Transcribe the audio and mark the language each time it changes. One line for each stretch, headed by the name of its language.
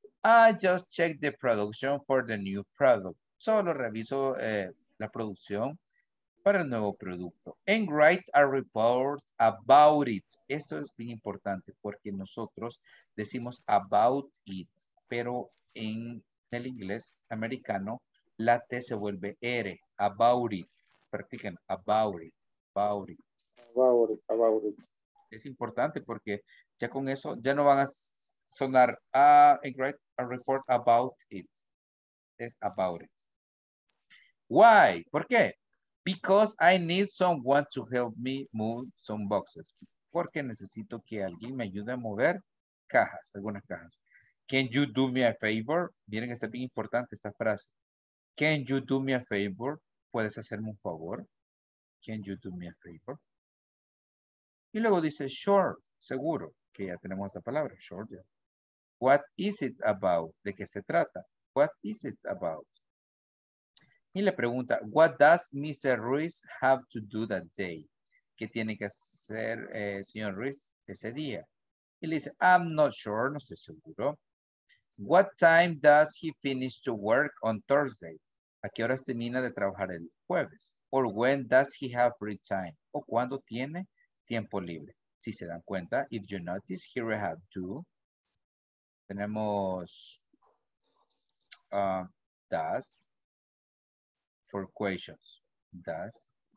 English: I just checked the production for the new product.
Spanish: Solo reviso la producción para el nuevo producto.
English: And write a report about it.
Spanish: Esto es bien importante porque nosotros decimos
English: about it,
Spanish: pero en el inglés americano la T se vuelve R.
English: About it.
Spanish: Practiquen. About it. Es importante porque ya con eso ya no van a sonar
English: write a report about it.
Spanish: Es
English: about it. Why?
Spanish: ¿Por qué?
English: Because I need someone to help me move some boxes.
Spanish: Porque necesito que alguien me ayude a mover cajas, algunas cajas.
English: Can you do me a favor?
Spanish: Miren, está bien importante esta frase.
English: Can you do me a favor?
Spanish: ¿Puedes hacerme un favor?
English: Can you do me a favor?
Spanish: Y luego dice, sure, seguro, que ya tenemos la palabra,
English: sure, yeah. What is it about?
Spanish: ¿De qué se trata?
English: What is it about?
Spanish: Y le pregunta,
English: what does Mr. Ruiz have to do that day?
Spanish: ¿Qué tiene que hacer señor Ruiz ese día? Y le dice,
English: I'm not sure,
Spanish: no estoy seguro.
English: What time does he finish to work on Thursday?
Spanish: ¿A qué horas termina de trabajar el jueves?
English: Or when does he have free time?
Spanish: ¿O cuándo tiene tiempo libre? Si se dan cuenta,
English: if you notice, here we have two.
Spanish: Tenemos
English: does for questions. Does.